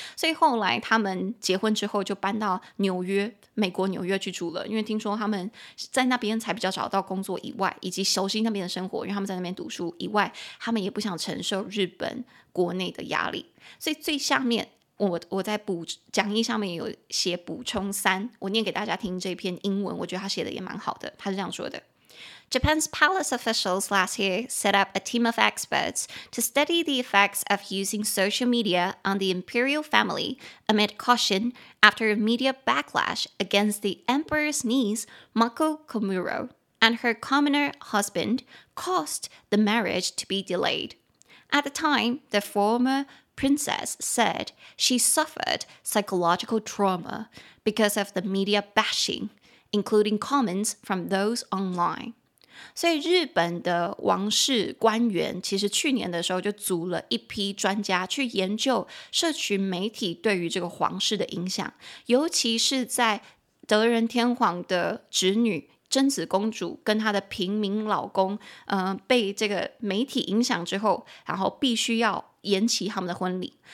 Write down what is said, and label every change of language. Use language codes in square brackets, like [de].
[zh] 所以后来他们结婚之后就搬到纽约，美国纽约去住了，因为听说他们在那边才比较找到工作以外，以及熟悉那边的生活，因为他们在那边读书以外，他们也不想承受日本国内的压力。所以最下面我在讲义上面有写补充三，我念给大家听这篇英文，我觉得他写的也蛮好的，他是这样说的。 [en] Japan's palace officials last year set up a team of experts to study the effects of using social media on the imperial family amid caution after a media backlash against the emperor's niece, Mako Komuro, and her commoner husband caused the marriage to be delayed. At the time, the former princess said she suffered psychological trauma because of the media bashing, including comments from those online. [zh] 所以日本的王室官员其实去年的时候就组了一批专家去研究社群媒体对于这个皇室的影响，尤其是在德仁天皇的侄女真子公主跟她的平民老公被这个媒体影响之后，然后必须要延期他们的婚礼。